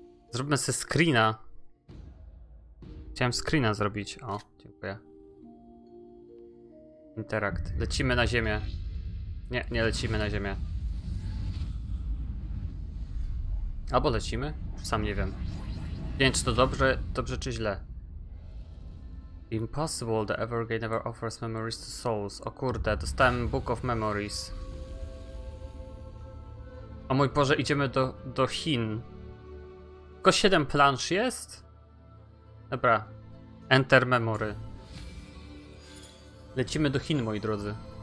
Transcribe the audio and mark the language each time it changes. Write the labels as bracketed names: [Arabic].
[Polish] Zróbmy sobie screena. Chciałem screena zrobić. O, dziękuję. Interact. Lecimy na ziemię. Nie, nie lecimy na ziemię. Albo lecimy? Sam nie wiem. Nie wiem, czy to dobrze czy źle. [English] Impossible, the Evergate never offers memories to souls. [Polish] O kurde, dostałem Book of Memories. O mój Boże, idziemy do Chin. Tylko 7 plansz jest? Dobra. [English] Enter memory. [Polish] Lecimy do Chin, moi drodzy.